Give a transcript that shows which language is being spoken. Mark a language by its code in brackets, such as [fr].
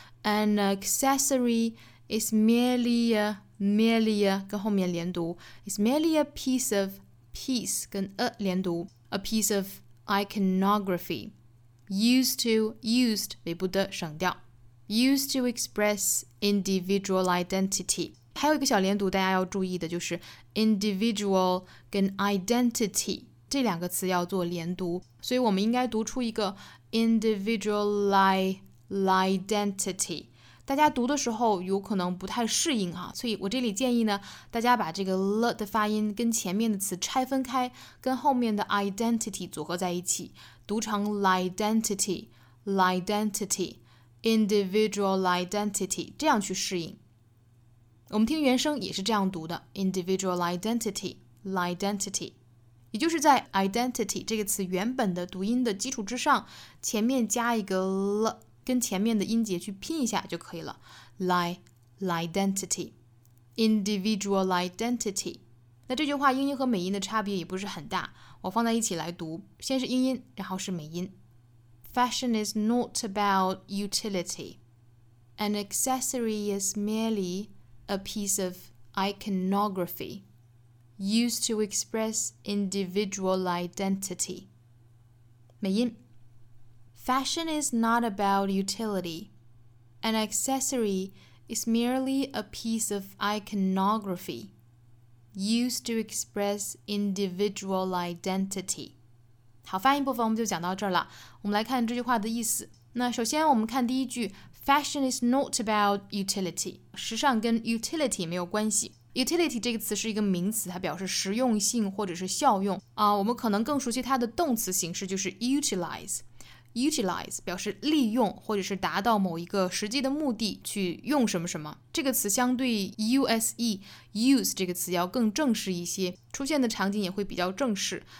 [en] An accessory is merely aMerely a [zh] 跟后面连读 [en] is merely a piece of piece [zh] 跟 [en] a [zh] 连读 [en] a piece of iconography used to used [zh] 尾部的省掉 [en] used to express individual identity。 [zh] 还有一个小连读大家要注意的就是 individual 跟 identity 这两个词要做连读，所以我们应该读出一个 [en] individual identity， [zh] 大家读的时候有可能不太适应啊，所以我这里建议呢，大家把这个 le 的发音跟前面的词拆分开，跟后面的 identity 组合在一起，读成 [en] l'identity, l'identity, individual identity, [zh] 这样去适应。我们听原声也是这样读的 , [en] individual identity, l'identity。 [zh] 也就是在 identity 这个词原本的读音的基础之上，前面加一个 l， 跟前面的音节去拼一下就可以了。 [en] l'identity, individual identity。 [zh] 那这句话英音和美音的差别也不是很大，我放在一起来读，先是英音，然后是美音。 [en] Fashion is not about utility. An accessory is merely a piece of iconography. Used to express individual identity. [zh] 美音 [en] Fashion is not about utility. An accessory is merely a piece of iconography. Used to express individual identity. [zh] 好，发音部分我们就讲到这儿了。我们来看这句话的意思。那首先我们看第一句 [en] Fashion is not about utility. [zh] 时尚跟 utility 没有关系。Utility 这个词是一个名词，它表示实用性或者是效用啊。我们可能更熟悉它的动词形式，就是 utilize。 Utilize 表示利用或者是达到某一个实际的目的去用什么什么。这个词相对 use use 这个词要更正式一些，出现的场景也会比较正式。